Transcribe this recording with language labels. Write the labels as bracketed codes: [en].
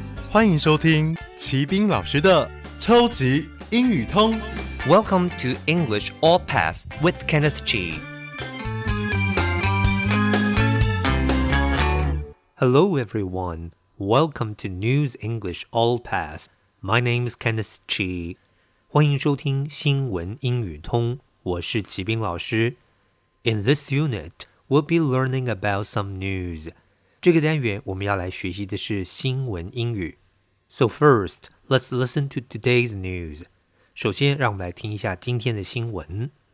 [zh] 欢迎收听齐宾老师的超级英语通。 [en] Welcome to English All Pass with Kenneth G. Hello everyone. Welcome to News English All Pass. My name is Kenneth G. [zh] 欢迎收听新闻英语通。我是齐宾老师。 [en] In this unit, we'll be learning about some news. [zh] 这个单元我们要来学习的是新闻英语。 [en] So first, let's listen to today's news. [zh] 首先让我们来听一下今天的新闻。